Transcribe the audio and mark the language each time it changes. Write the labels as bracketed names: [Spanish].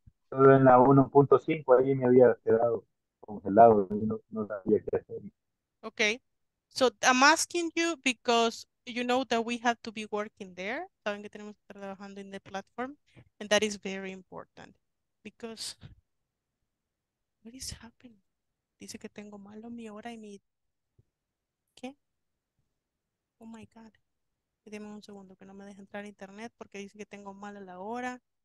[Spanish] Solo en la 1.5, ahí me había quedado congelado, no sabía qué hacer. [English] Okay. So I'm asking you because you know that we have to be working there. [Spanish] Saben que tenemos que estar trabajando en la platform. [English] And that is very important. Because, what is happening? [Spanish] Dice que tengo malo mi hora y mi... ¿Qué? [English] Oh my God. [Spanish] Dime un segundo que no me deje entrar a internet porque dice que tengo mala la hora.